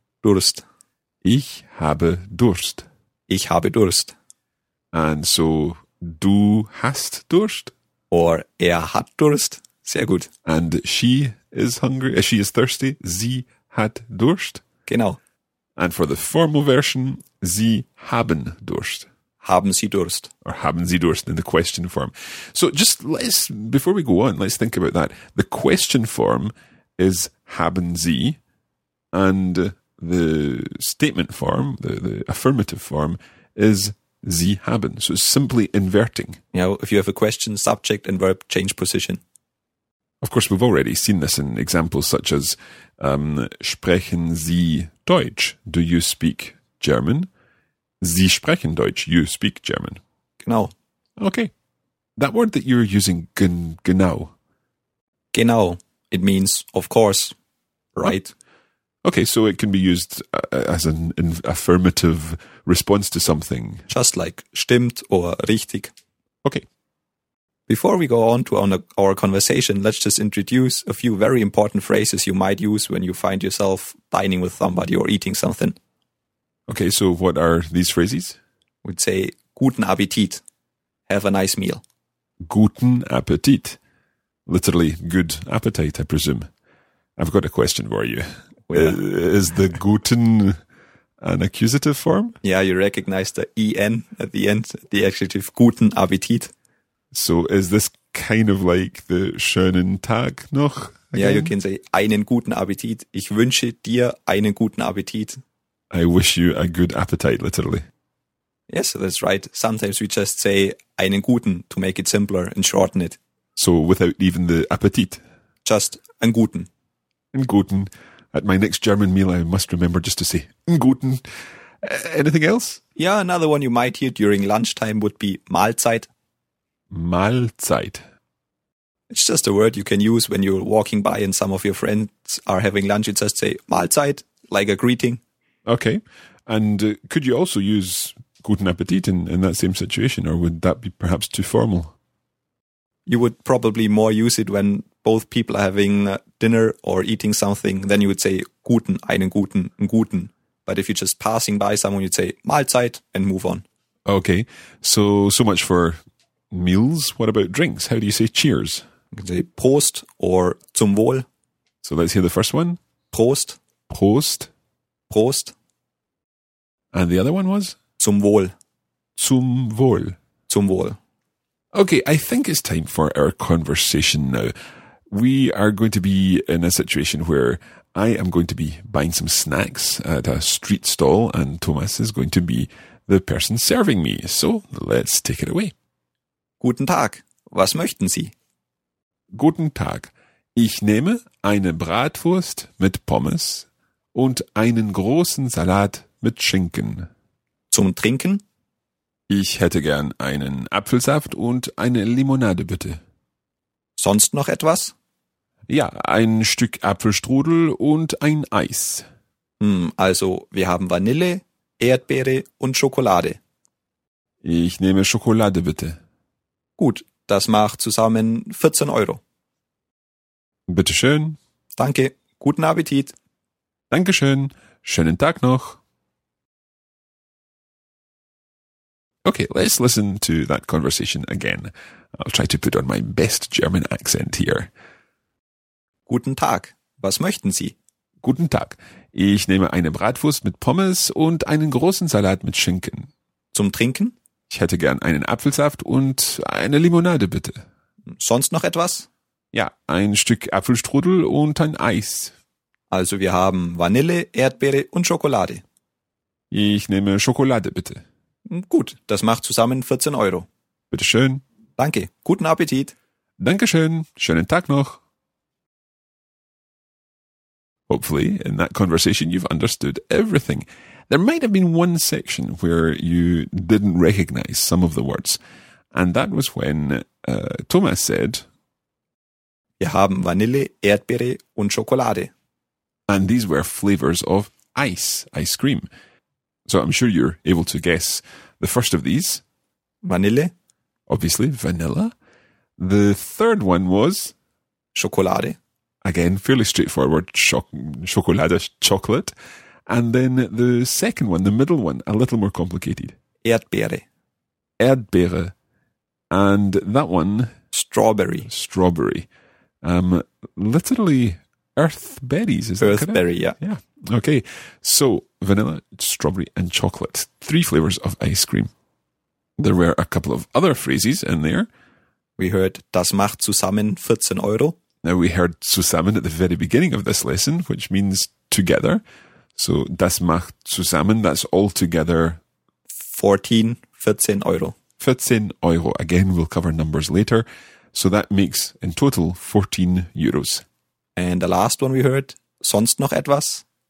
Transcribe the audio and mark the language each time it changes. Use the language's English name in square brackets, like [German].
[German] Durst. Ich habe Durst. Ich habe Durst. [English] And so, [German] du hast Durst? Or er hat Durst. Sehr gut. [English] And she is hungry, she is thirsty, [German] sie hat Durst? Genau. [English] And for the formal version, [German] Sie haben Durst. Haben Sie Durst. [English] Or [German] haben Sie Durst [English] in the question form. So just let's, before we go on, let's think about that. The question form is haben Sie, and the statement form, the affirmative form, is Sie haben. So it's simply inverting. Yeah, well, if you have a question, subject and verb change position. Of course, we've already seen this in examples such as [German] sprechen Sie Deutsch? [English] Do you speak German? [German] Sie sprechen Deutsch. [English] You speak German. [German] Genau. [English] Okay. That word that you're using, genau. [German] Genau. [English] It means, of course, right. Okay, so it can be used as an affirmative response to something. Just like stimmt or richtig. Okay. Before we go on to our conversation, let's just introduce a few very important phrases you might use when you find yourself dining with somebody or eating something. Okay, so what are these phrases? We'd say, [German] guten Appetit. [English] Have a nice meal. [German] Guten Appetit. [English] Literally, good appetite, I presume. I've got a question for you. Yeah. Is the guten an accusative form? Yeah, you recognize the en at the end, the adjective guten Appetit. So is this kind of like the [German] schönen Tag noch? [English] Again? Yeah, you can say [German] einen guten Appetit. Ich wünsche dir einen guten Appetit. [English] I wish you a good appetite, literally. Yes, that's right. Sometimes we just say [German] einen guten [English] to make it simpler and shorten it. So without even the Appetit? Just [German] einen guten. Einen guten. [English] At my next German meal, I must remember just to say [German] einen guten. [English] Anything else? Yeah, another one you might hear during lunchtime would be Mahlzeit. [German] Mahlzeit. [English] It's just a word you can use when you're walking by and some of your friends are having lunch. You just say Mahlzeit, like a greeting. Okay. And could you also use [German] Guten Appetit [English] in that same situation, or would that be perhaps too formal? You would probably more use it when both people are having dinner or eating something. Then you would say [German] Guten, einen guten, einen guten. [English] But if you're just passing by someone, you'd say Mahlzeit and move on. Okay. So much for meals. What about drinks? How do you say cheers? You can say Prost or [German] zum Wohl. [English] So let's hear the first one. [German] Prost. Prost. Prost. [English] And the other one was? [German] Zum Wohl. Zum Wohl. Zum Wohl. [English] Okay, I think it's time for our conversation now. We are going to be in a situation where I am going to be buying some snacks at a street stall and Thomas is going to be the person serving me. So let's take it away. [German] Guten Tag, was möchten Sie? Guten Tag, ich nehme eine Bratwurst mit Pommes und einen großen Salat mit Schinken. Zum Trinken? Ich hätte gern einen Apfelsaft und eine Limonade, bitte. Sonst noch etwas? Ja, ein Stück Apfelstrudel und ein Eis. Also, wir haben Vanille, Erdbeere und Schokolade. Ich nehme Schokolade, bitte. Gut, das macht zusammen 14 Euro. Bitteschön. Danke, guten Appetit. Dankeschön, schönen Tag noch. [English] Okay, let's listen to that conversation again. I'll try to put on my best German accent here. [German] Guten Tag, was möchten Sie? Guten Tag, ich nehme eine Bratwurst mit Pommes und einen großen Salat mit Schinken. Zum Trinken? Ich hätte gern einen Apfelsaft und eine Limonade, bitte. Sonst noch etwas? Ja, ein Stück Apfelstrudel und ein Eis. Also wir haben Vanille, Erdbeere und Schokolade. Ich nehme Schokolade, bitte. Gut, das macht zusammen 14 Euro. Bitteschön. Danke, guten Appetit. Dankeschön, schönen Tag noch. [English] Hopefully, in that conversation, you've understood everything. There might have been one section where you didn't recognize some of the words. And that was when Thomas said, [German] wir haben Vanille, Erdbeere und Schokolade. [English] And these were flavors of ice cream. So I'm sure you're able to guess the first of these. [German] Vanille. [English] Obviously, vanilla. The third one was? [German] Schokolade. [English] Again, fairly straightforward, chocolate, chocolate. And then the second one, the middle one, a little more complicated. [German] Erdbeere. [English] Erdbeere. And that one? Strawberry. Strawberry. Literally, earthberries, is that correct? Earthberry, yeah. Yeah. Okay. So, vanilla, strawberry, and chocolate. Three flavors of ice cream. There were a couple of other phrases in there. We heard, [German] das macht zusammen 14 Euro. [English] Now we heard zusammen at the very beginning of this lesson, which means together. So [German] das macht zusammen, [English] that's all together. [German] 14 Euro. 14 Euro. [English] Again, we'll cover numbers later. So that makes in total 14 euros. And the last one we heard, [German] sonst noch etwas?